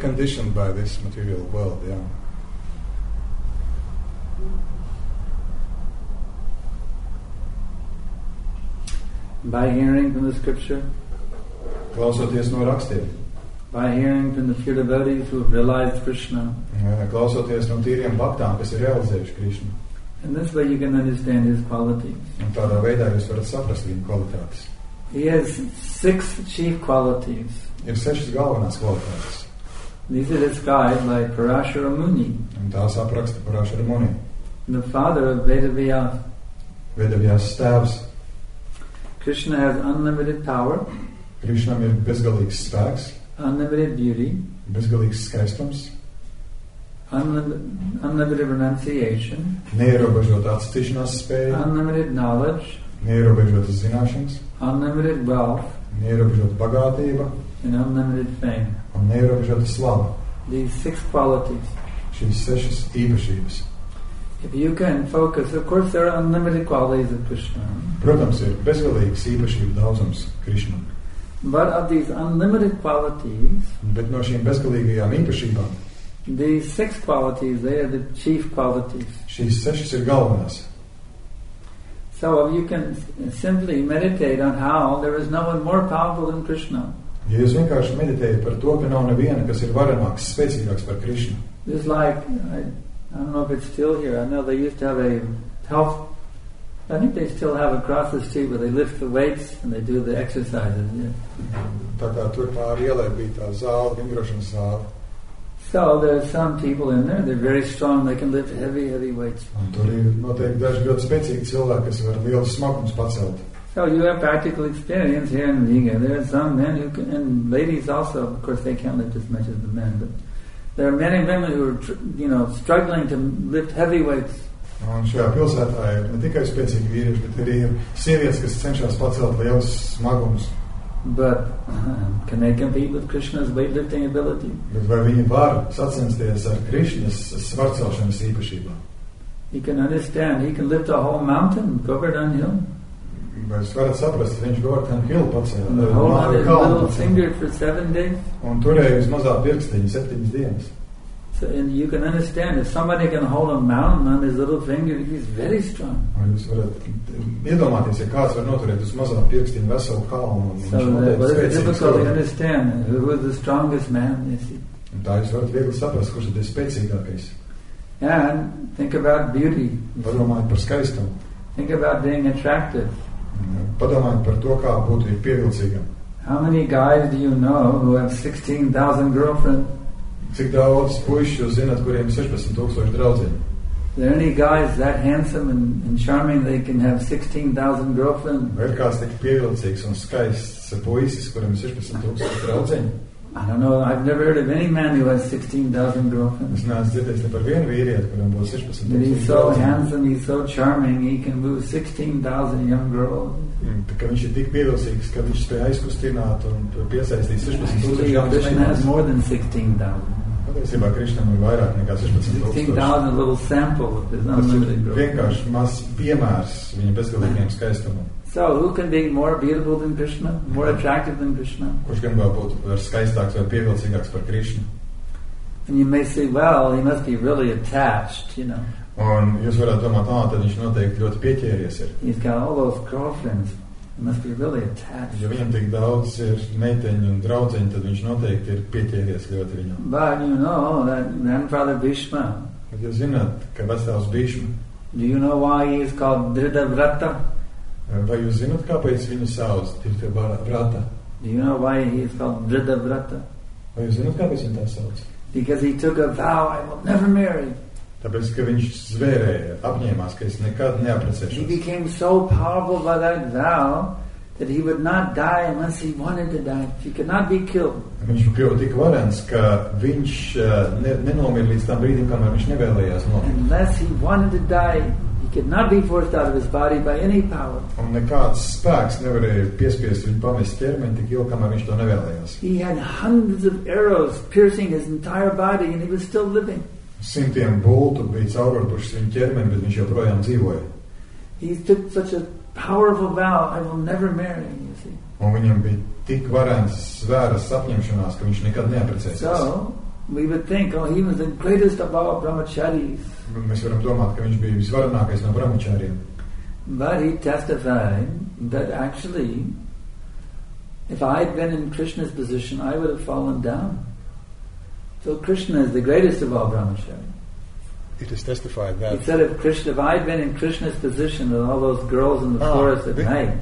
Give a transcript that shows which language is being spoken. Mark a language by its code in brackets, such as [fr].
[en] Conditioned by this material world, yeah. By hearing from the scripture? [lv] Klausoties no rakstiem. [en] By hearing from the pure devotees who have realized Krishna. [lv] Klausoties no tīriem bhaktām, kas ir realizējuši Krishna. [en] In this way you can understand his qualities. [lv] Un tādā veidā jūs varat saprast viņu kvalitātes. [en] He has six chief qualities. [lv] Ir sešas galvenās kvalitātes. [en] These are described by Parashara Muni. [lv] Un tās apraksta Parashara Muni. [en] The father of Vedavyas. [lv] Vedavyas stāvs. [en] Krishna has unlimited power. [lv] Krishnam ir bezgalīgs spēks. [en] Unlimited beauty. [lv] Bezgalīgs skaistums. [en] Unlimited renunciation. [lv] Neierobežot atstīšanās spēju. [en] Unlimited knowledge. [lv] Neierobežot zināšanas. [en] Unlimited wealth. [lv] Neierobežot bagātība. [en] And unlimited fame. [lv] Un neierobežot slava. [en] These six qualities. [lv] Šīs sešas īpašības. [en] If you can focus, of course there are unlimited qualities of Krishna. [lv] Protams, ir bezgalīgas īpašības daudzums Krishna. [en] But of these unlimited qualities, [lv] bet no šīm bezgalīgajām īpašībām, [en] these six qualities, they are the chief qualities. [lv] Šīs sešas ir galvenās. [en] So if you can simply meditate on how there is no one more powerful than Krishna. [lv] Ja jūs vienkārši meditēju par to, ka nav neviena, kas ir varenāks, spēcīgāks par Krishna. [en] It's like, I don't know if it's still here, I know they used to have a health, I think they still have across the street where they lift the weights and they do the exercises. Yeah. [lv] Tā kā tur pāri ielē bija tā zāle, vingrošana zāle. [en] So there are some people in there, they're very strong, they can lift heavy, heavy weights. [lv] Un tur ir noteikti daži ļoti spēcīgi cilvēki, kas var lielu smagumus pacelt. [en] So you have practical experience here in Liga. There are some men who can, and ladies also, of course they can't lift as much as the men, but there are many women who are, you know, struggling to lift heavy weights. [lv] Un šajā pilsētā ir ne tikai spēcīgi vīrieši, bet arī ir sievietes, kas cenšas pacelt lielus smagumus. [en] But can they compete with Krishna's weightlifting ability? [lv] Bet vai viņi var sacensties ar Krishna's svarcelšanas īpašībā? [en] He can understand, he can lift a whole mountain, Govardhan Hill. [lv] Bet jūs varat saprast, viņš Govardhan Hill pacēl. [en] And the whole mountain a little finger for 7 days. [lv] Un turēja uz mazā pirkstiņa 7 dienas. [en] So, and you can understand, if somebody can hold a mountain on his little finger, he's very strong. [lv] Jūs varat iedomāties, ja kāds var noturēt uz mazā pirkstiņa veselu kalnu. [en] So, it's difficult to understand who is the strongest man, you see. [lv] Un tā jūs varat viegli saprast, kurš ir tas spēcīgākais. [en] And think about beauty. [lv] Padomājiet par skaistumu. [en] Think about being attractive. [lv] Padomājiet par to, kā būtu pievilcīgam. [en] How many guys do you know who have 16,000 girlfriends? [lv] Cik daudz puišu jūs zināt, kuriem 16,000 draudzeņi? [en] There any guys that handsome and charming they can have 16,000 girlfriends? [lv] Vai ir kāds tik pievilcīgs un skaists puisis, kuriem 16,000 draudzeņi? [en] I don't know, I've never heard of any man who has 16,000 girlfriends. [lv] Es neesmu dzirdējis ne par vienu vīrieti, kuram būs 16,000 draudzeņi. [en] He's so handsome, he's so charming, he can move 16,000 young girls. [lv] Tā kā viņš ir tik pievilcīgs, ka viņš spēja aizkustināt un piesaistīt 16,000 jaunas vīrietis. [en] Krishna has more than 16,000. [lv] Patiesībā Krishnam ir vairāk nekā 16,000. [en] 16,000 a little sample of his unlimited growth. [lv] Tas ir vienkārši mazs piemērs viņa bezgalīgiem skaistumam. [en] So, who can be more beautiful than Krishna, more attractive than Krishna? [lv] Kurš gan vēl būtu skaistāks vai pievilcīgāks par Krishna? [en] And you may say, well, he must be really attached, you know. [lv] Un jūs varētu domāt, ah, tad viņš noteikti ļoti pieķēries ir. [en] He's got all those girlfriends. He must be really attached. [lv] Ja viņam tik daudz ir meiteņu un draudzeņu, tad viņš noteikti ir pieķēries ļoti viņam. [en] But you know that grandfather Bhishma. [lv] Bet jūs zināt, ka vecāls Bhishma. [en] Do you know why he is called Dhritavrata? [lv] Vai jūs zināt, kāpēc viņu sauc Dhritavrata? [en] Do you know why he is called Dhritavrata? [lv] Vai jūs zināt, kāpēc viņu tā sauc? [en] Because he took a vow, I will never marry. [lv] Tāpēc, ka viņš zvērēja, apņēmās, ka es nekad neapprecēšos. [en] He became so powerful by that vow that he would not die unless he wanted to die. He could not be killed. [lv] Viņš kļuva tik varens, ka viņš nenomir līdz tam brīdim, kamēr viņš nevēlējās nomirt. [en] Unless he wanted to die, he cannot be forced out of his body by any power. [lv] Un nekāds spēks nevarēja piespiest viņu pamest ķermeni tik ilgi, kamēr viņš to nevēlējās. [en] He had hundreds of arrows piercing his entire body and he was still living. [lv] Simtiem bultu bija caurvarpušas viņu ķermeni, bet viņš joprojām dzīvoja. [en] He took such a powerful vow, I will never marry, you see. [lv] Un viņam bija tik varens svēras apņemšanās, ka viņš nekad neaprecēsies. [en] So, we would think, oh, he was the greatest of all brahmacharis. [lv] Mēs varam domāt, ka viņš bija visvarenākais no brahmačāriem. [en] But he testified that actually, if I had been in Krishna's position, I would have fallen down. So Krishna is the greatest of all brahmacharis. It is testified that he said, if I had been in Krishna's position with all those girls in the forest at night,